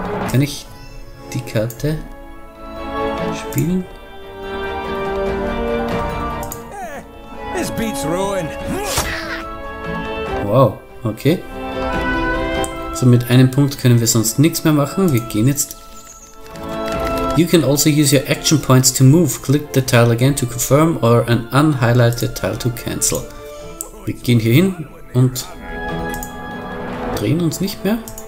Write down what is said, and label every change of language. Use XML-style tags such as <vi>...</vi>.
<de>Kann ich die Karte spielen?</de> <en>This beats ruin. Wow, okay.</en> <de>So, mit einem Punkt können wir sonst nichts mehr machen. Wir gehen jetzt.</de> <en>You can also use your action points to move. Click the tile again to confirm or an unhighlighted tile to cancel.</en> <de>Wir gehen hier hin und drehen uns nicht mehr.</de>